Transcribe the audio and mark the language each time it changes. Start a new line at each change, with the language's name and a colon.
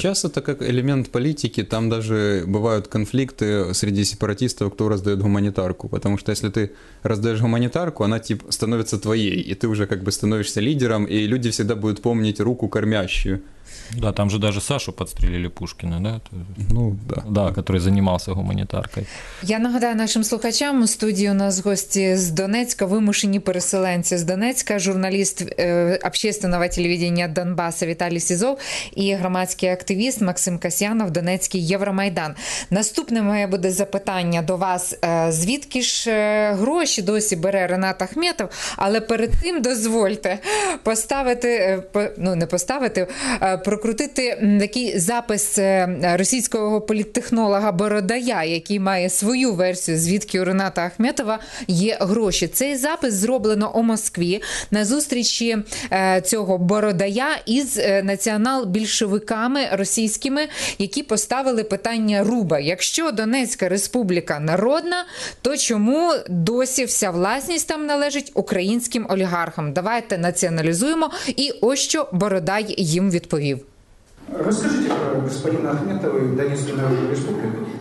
Russian: Сейчас это как элемент политики, там даже бывают конфликты среди сепаратистов, кто раздает гуманитарку, потому что если ты раздаешь гуманитарку, она типа становится твоей, и ты уже как бы становишься лидером, и люди всегда будут помнить руку кормящую. Да, там же даже Сашу подстрелили Пушкина, да? Ну, да. Да, который занимался гуманитаркой.
Ukrainian: Я нагадаю нашим слухачам, у студії у нас гості з Донецька, вимушені переселенці з Донецька, журналіст общественного телевидения Донбасса Віталій Сізов і громадський активіст Максим Касьянов, Донецький Євромайдан. Наступне моє буде запитання до вас. Звідки ж гроші досі бере Ренат Ахметов? Але перед тим дозвольте поставити, ну не поставити, прокрутити такий запис російського політтехнолога Бородая, який має свою версію, звідки у Рената Ахметова є гроші. Цей запис зроблено у Москві на зустрічі цього Бородая із націонал-більшовиками російськими, які поставили питання Руба. Якщо Донецька республіка народна, то чому досі вся власність там належить українським олігархам? Давайте націоналізуємо. І ось що Бородай їм відповів.
Russian: Расскажите про господина Ахметова и Донецкую Народную Республику.